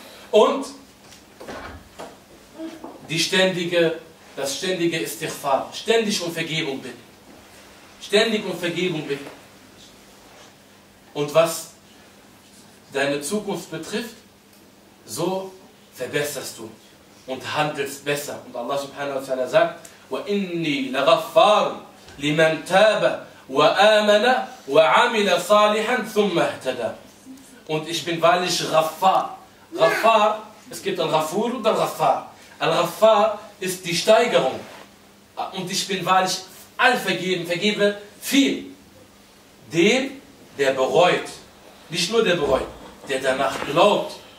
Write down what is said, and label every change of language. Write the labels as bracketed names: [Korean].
[German] Und die ständige, das ständige Istighfar, ständig um Vergebung bitten. Ständig um Vergebung bitten. Und was deine Zukunft betrifft, so verbesserst du und handelst besser. Und Allah subhanahu wa ta'ala sagt, [Arabic] وَإِنِّي لَغَفَّارٌ لِمَنْ تَابَ وَآمَنَ وَعَمِلَ صَالِحًا ثُمَّ اهْتَدَى. [German] Und ich bin wahrlich Ghaffar. Ghaffar, es gibt Al-Ghafur und Al-Ghaffar. Al-Ghaffar ist die Steigerung. Und ich bin wahrlich allvergeben, vergebe viel. Dem, der bereut. Nicht nur der bereut, der danach glaubt.